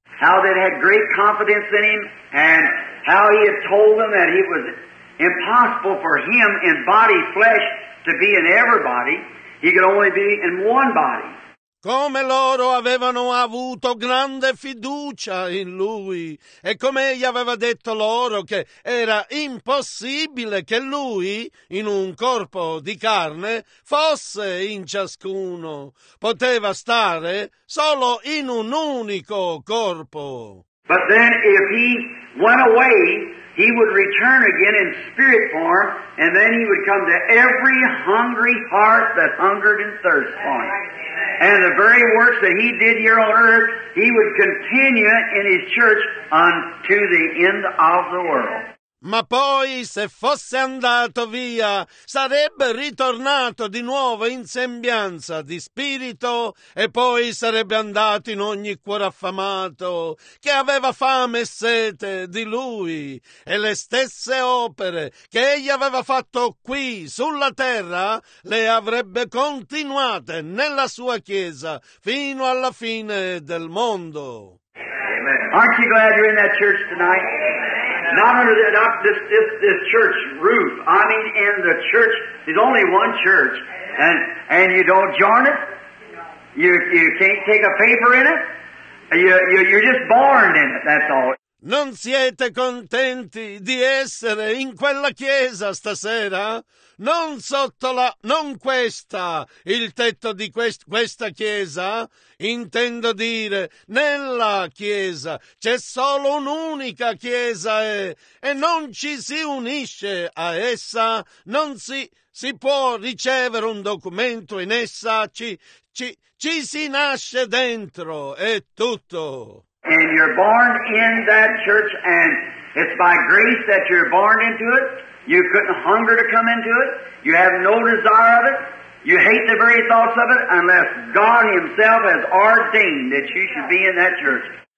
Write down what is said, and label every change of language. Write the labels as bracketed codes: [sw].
[en] How they had great confidence in him and how he had told them that it was impossible for him in body flesh to be in everybody, he could only be in one body. [it] Come loro avevano avuto grande fiducia in lui e come egli aveva detto loro che era impossibile che lui, in un corpo di carne, fosse in ciascuno. Poteva stare solo in un unico corpo. [en] But then if he went away, he would return again in spirit form and then he would come to every hungry heart that hungered and thirsted for him. And the very works that he did here on earth, he would continue in his church unto the end of the world. [it] Ma poi, se fosse andato via, sarebbe ritornato di nuovo in sembianza di spirito e poi sarebbe andato in ogni cuore affamato che aveva fame e sete di lui. E le stesse opere che egli aveva fatto qui sulla terra le avrebbe continuate nella sua chiesa fino alla fine del mondo. Amen. Amen. [en] Aren't you glad you're in that church tonight? Amen. Not under the, not this church roof. I mean, in the church. There's only one church. And you don't join it? You can't take a paper in it? You're just born in it, that's all. [it] Non siete contenti di essere in quella chiesa stasera? Non sotto la... non questa, il tetto di questa chiesa? Intendo dire, nella chiesa c'è solo un'unica chiesa e non ci si unisce a essa, non si può ricevere un documento in essa, ci si nasce dentro, è tutto. [en] And you're born in that church, and it's by grace that you're born into it. You couldn't hunger to come into it. You have no desire of it. You hate the very thoughts of it, unless God Himself has ordained that you should be in that church.